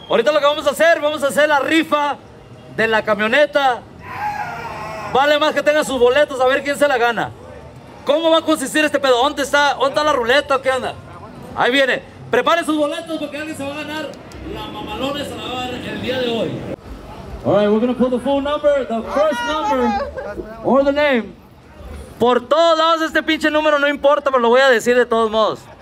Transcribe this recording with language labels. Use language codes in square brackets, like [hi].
[es] Ahorita lo que vamos a hacer la rifa de la camioneta. Vale más que tengan sus boletos, a ver quién se la gana. ¿Cómo va a consistir este pedo? ¿Dónde está la ruleta o qué onda? Ahí viene. Preparen sus boletos porque alguien se va a ganar la mamalona, se la va a dar el día de hoy. [en] All right, we're going to pull the full number, the first number, or the name. [es] Por todos lados este pinche número, no importa, pero lo voy a decir de todos modos.